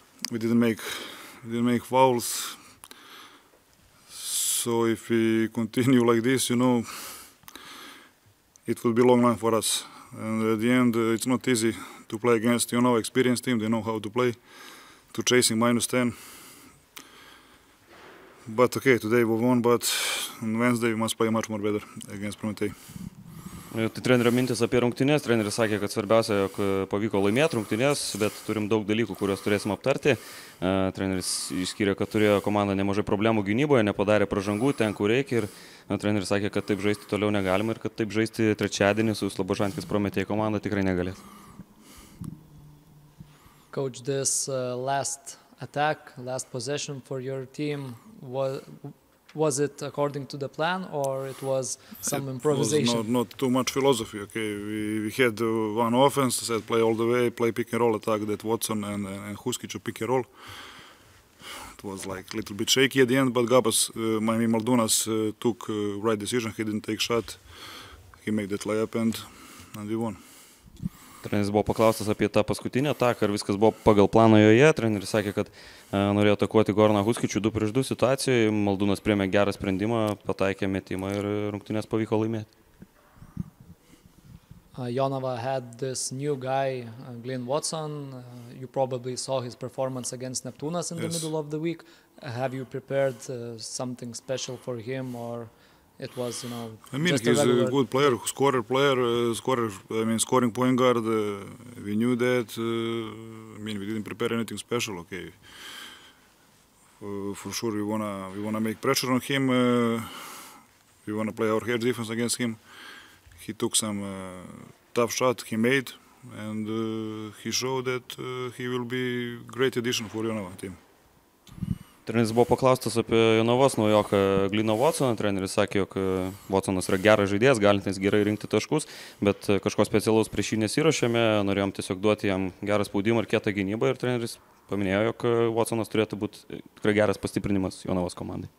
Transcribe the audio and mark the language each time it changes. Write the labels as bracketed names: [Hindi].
[English] We didn't make fouls. So if we continue like this, you know, it would be a long line for us. And at the end, it's not easy to play against, you know, experienced team. They know how to play, to chasing minus 10. But okay, today we won, but on Wednesday we must play much more better against Prometei. [Lithuanian] Tai trenerio mintis apie rungtynės. Treneris sakė, kad svarbiausia, jog pavyko laimėti rungtynės, bet turim daug dalykų, kuriuos turėsim aptarti. Treneris išskyrė, kad turėjo komanda nemažai problemų gynyboje, nepadarė pražangų ten, kur reikia. Ir treneris sakė, kad taip žaisti toliau negalima ir kad taip žaisti trečiadienį su Slobožanskis Prometei komanda tikrai negalės. [English] Coach, this last attack, last possession for your team, was it according to the plan or it was some improvisation? Not too much philosophy. Okay, we had one offense, said play all the way, play pick and roll attack, that Watson and Huskic pick and roll. It was like a little bit shaky at the end, but Gabas, Maimi Maldunas, took right decision. He didn't take shot, he made that layup and we won. [Lithuanian] Treneris buvo paklaustas apie tą paskutinę ataką, ar viskas buvo pagal plano joje. Treneris sakė, kad norėjo atakuoti Goraną Huskičių 2-2 situacijoje. Maldūnas priėmė gerą sprendimą, pataikė metimą ir rungtynės pavyko laimėti. [English] Jonava had this new guy, Glenn Watson. You probably saw his performance against Neptūnas in the middle of the week. Have you prepared something special for him or... It was, you know, I mean, he's a good player, scoring point guard. We knew that. I mean, we didn't prepare anything special. Okay, for sure we wanna make pressure on him. We wanna play our hedge defense against him. He took some tough shot he made, and he showed that he will be great addition for Jonava team. [Lithuanian] Treneris buvo paklaustas apie Jonavos naujoką Glyną Watsoną. Treneris sakė, jog Watsonas yra geras žaidėjas, galintis gerai rinkti taškus, bet kažko specialaus prieš jį nesiruošėme. Norėjom tiesiog duoti jam gerą spaudimą ir kietą gynybą. Ir treneris paminėjo, jog Watsonas turėtų būti tikrai geras pastiprinimas Jonavos komandai.